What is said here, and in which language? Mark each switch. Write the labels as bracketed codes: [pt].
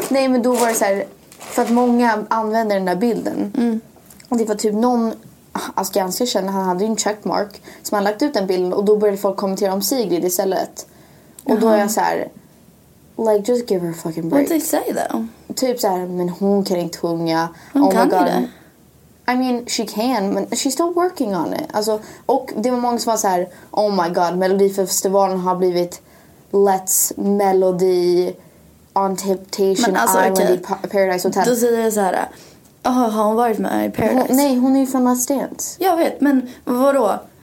[sv] Nej, men då var det så här, för att många använder den där bilden. Mm. Och det var typ någon, alltså ganska känner, han hade ju en checkmark som han lagt ut den bilden, och då började folk kommentera om Sigrid istället. Och då är jag så här, [en] like, just give her a fucking break. What did they say though? [sv] Typ så här, men hon kan inte sjunga. Hon kan ju det. [en] I mean, she can, but she's still working on it. [sv] Alltså, och det var många som var så här, [en] oh my god, [sv] Melodifestivalen har blivit Let's Melody on Temptation Island okay. Paradise Hotel. Då säger jag så här, oh, har hon varit med i Paradise? Nej, hon är ju från Last Dance. Jag vet, men vadå?